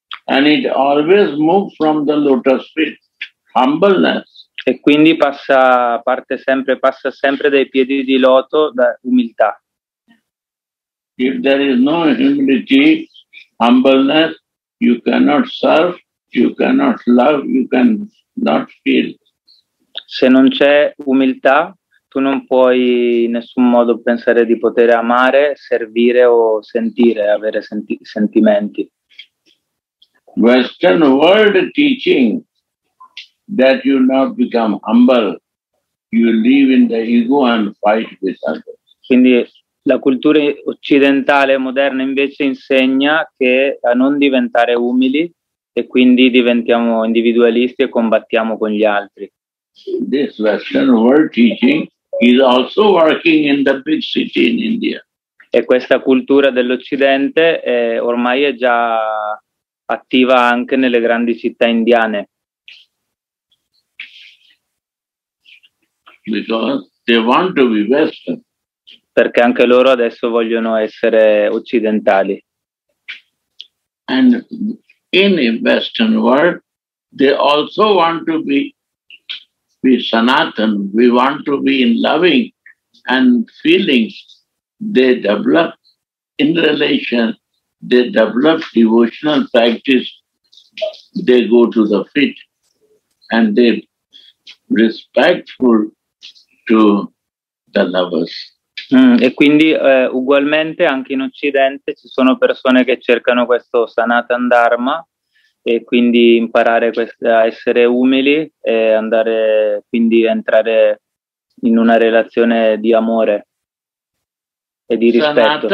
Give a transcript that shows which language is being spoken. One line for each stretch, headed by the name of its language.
English: And it always moves from the lotus feet. Humbleness.
Italian: E quindi passa sempre dai piedi di loto, da umiltà.
English: If there is no humility, humbleness, you cannot serve, you cannot love, you cannot feel.
Italian: Se non c'è umiltà, tu non puoi in nessun modo pensare di poter amare, servire o sentire, avere sentimenti.
English: Western world teaching that you not become humble, you live in the ego and fight with others.
Italian: Quindi la cultura occidentale moderna invece insegna che a non diventare umili e quindi diventiamo individualisti e combattiamo con gli altri.
English: This Western world teaching is also working in the big city in India.
Italian: E questa cultura dell'Occidente ormai è già attiva anche nelle grandi città indiane.
English: Because they want to be Western.
Italian: Perché anche loro adesso vogliono essere occidentali.
English: And in the Western world, they also want to be Sanatan. We want to be in loving and feeling. They develop in relation. They develop devotional practice. They go to the feet, and they respectful to the lovers.
Italian: E quindi ugualmente anche in Occidente ci sono persone che cercano questo Sanatan Dharma e quindi imparare a essere umili e andare quindi entrare in una relazione di amore e di rispetto.